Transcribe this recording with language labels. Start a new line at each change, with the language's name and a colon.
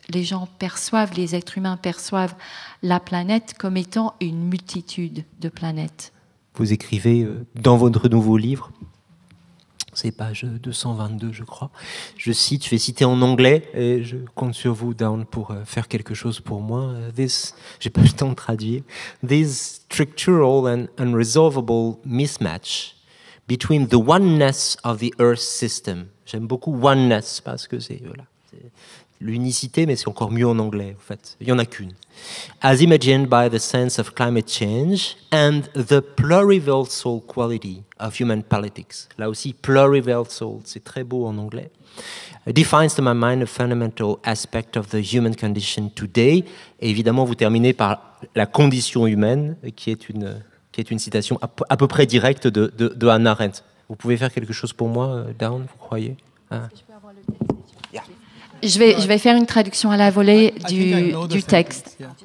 French: Les gens perçoivent, les êtres humains perçoivent la planète comme étant une multitude de planètes. Vous écrivez dans votre nouveau livre, c'est page 222, je crois. Je cite, je vais citer en anglais, et je compte sur vous, Dawn, pour faire quelque chose pour moi. J'ai pas eu le temps de traduire.
English: This structural and unresolvable mismatch between the oneness of the Earth system.
French: J'aime beaucoup oneness parce que c'est, voilà, c'est l'unicité, mais c'est encore mieux en anglais, en fait. Il y en a qu'une.
English: As imagined by the sense of climate change and the pluriversal quality of human politics.
French: Là aussi, pluriversal, c'est très beau en anglais.
English: Defines to my mind a fundamental aspect of the human condition today.
French: Et évidemment, vous terminez par la condition humaine, qui est une citation à peu près directe de Hannah Arendt. Vous pouvez faire quelque chose pour moi, Dawn, vous croyez? Hein? Je vais faire une traduction à la volée du texte.